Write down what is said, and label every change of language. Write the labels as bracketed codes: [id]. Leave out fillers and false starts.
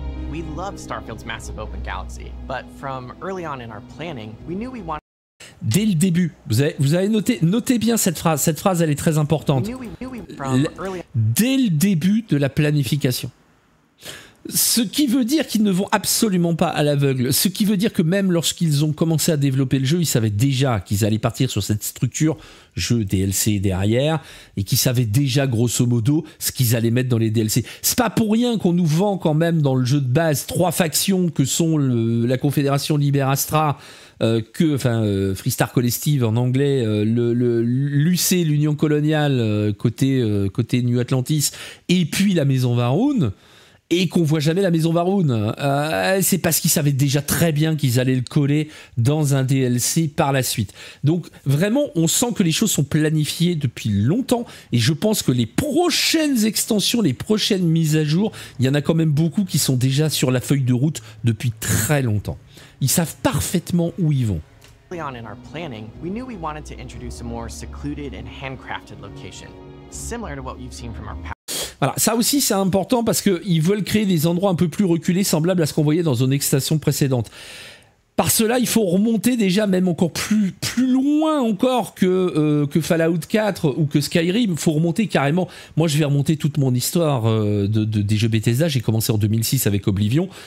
[en] We love Starfield's massive open galaxy, but from early on in our planning, we knew we wanted. [fr] Dès le début, vous avez noté bien cette phrase, elle est très importante. Dès le début de la planification. Ce qui veut dire qu'ils ne vont absolument pas à l'aveugle. Ce qui veut dire que même lorsqu'ils ont commencé à développer le jeu, ils savaient déjà qu'ils allaient partir sur cette structure jeu DLC derrière et qu'ils savaient déjà grosso modo ce qu'ils allaient mettre dans les DLC. C'est pas pour rien qu'on nous vend quand même dans le jeu de base trois factions que sont la Confédération Liberastra, Freestar Collective en anglais, l'UC, l'Union Coloniale côté New Atlantis et puis la Maison Faerûn. Et qu'on voit jamais la maison Faerûn. C'est parce qu'ils savaient déjà très bien qu'ils allaient le coller dans un DLC par la suite. Donc vraiment, on sent que les choses sont planifiées depuis longtemps. Et je pense que les prochaines extensions, les prochaines mises à jour, il y en a quand même beaucoup qui sont déjà sur la feuille de route depuis très longtemps. Ils savent parfaitement où ils vont. [en] On in our planning, we knew we wanted to introduce a more secluded and handcrafted location, similar to what you've seen from our past. [fr] Voilà, ça aussi c'est important parce qu'ils veulent créer des endroits un peu plus reculés, semblables à ce qu'on voyait dans une extension précédente. Par cela, il faut remonter déjà même encore plus loin encore que Fallout 4 ou que Skyrim. Il faut remonter carrément. Moi, je vais remonter toute mon histoire des jeux Bethesda. J'ai commencé en 2006 avec Oblivion.